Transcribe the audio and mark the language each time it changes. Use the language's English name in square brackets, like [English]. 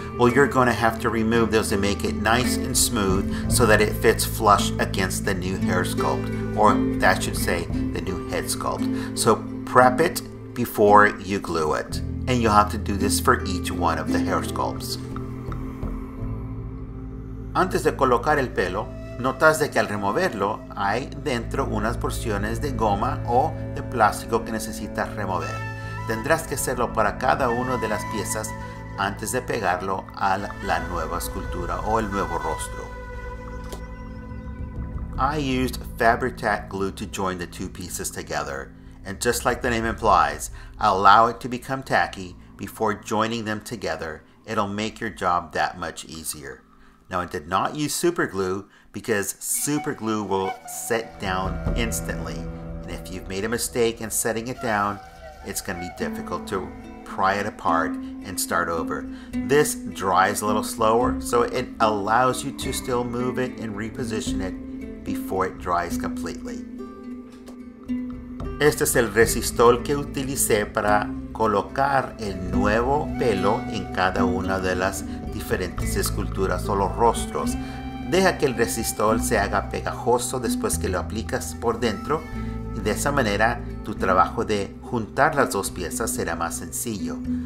[English] Well, you're going to have to remove those and make it nice and smooth so that it fits flush against the new hair sculpt, or that should say the new head sculpt. So prep it before you glue it. And you'll have to do this for each one of the hair sculpts. [Spanish] Antes de colocar el pelo, notas de que al removerlo hay dentro unas porciones de goma o de plástico que necesitas remover. Tendrás que hacerlo para cada una de las piezas antes de pegarlo a la nueva escultura o el nuevo rostro. [English] I used fabri-tac glue to join the two pieces together. And just like the name implies, allow it to become tacky before joining them together. It'll make your job that much easier. Now, I did not use super glue because super glue will set down instantly. And if you've made a mistake in setting it down, it's going to be difficult to pry it apart and start over. This dries a little slower, so it allows you to still move it and reposition it before it dries completely. [Spanish] Este es el resistol que utilicé para colocar el nuevo pelo en cada una de las diferentes esculturas o los rostros. Deja que el resistol se haga pegajoso después que lo aplicas por dentro, y de esa manera tu trabajo de juntar las dos piezas será más sencillo.